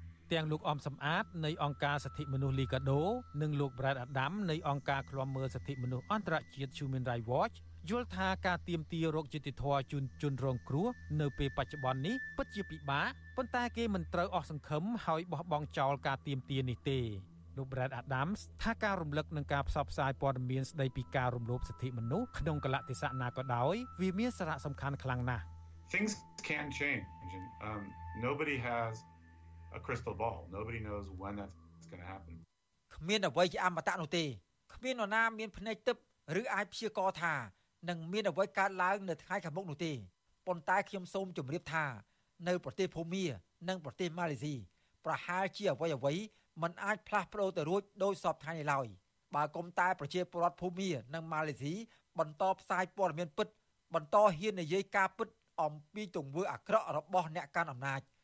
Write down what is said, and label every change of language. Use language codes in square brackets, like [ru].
[km] ទាំងលោកអមសំអាតនៃអង្គការសិទ្ធិមនុស្សលីកាដូនិងលោកប្រែតអាដាមនៃអង្គការឃ្លាំមើលសិទ្ធិមនុស្សអន្តរជាតិ Human Rights Watch យល់ថាការទាមទាររកយុត្តិធម៌ជូនជនរងគ្រោះនៅពេលបច្ចុប្បន្ននេះពិតជាពិបាកប៉ុន្តែគេមិនត្រូវអស់សង្ឃឹមហើយបោះបង់ចោលការទាមទារនេះទេលោក Brad Adams ថាការរំលឹកនឹងការផ្សព្វផ្សាយព័ត៌មានស្ដីពីការរំលោភសិទ្ធិមនុស្សក្នុងកលៈទេសៈណាក៏ដោយវាមានសារៈសំខាន់ខ្លាំងណាស់ [en] Things can change. Nobody has a crystal ball. Nobody knows when that's going to happen. [km] គ្មានអ្វីជាអមតៈនោះទេគ្មាននរណាមានភ្នែកទិព្វឬអាចព្យាករថានឹងមានអ្វីកើតឡើងនៅថ្ងៃខាងមុខនោះទេប៉ុន្តែខ្ញុំសូមជម្រាបថានៅប្រទេសភូមានិងប្រទេសម៉ាឡេស៊ីប្រហែលជាអ្វីអ្វីมันអាចផ្លាស់ប្ដូរទៅរួចដោយសពថ្ងៃនេះឡើយបើគុំតែប្រជាពលរដ្ឋភូមានិងម៉ាឡេស៊ីបន្តផ្សាយព័ត៌មានពិតបន្តហ៊ាននិយាយការពិតអំពីទង្វើអាក្រក់របស់អ្នកកាន់អំណាច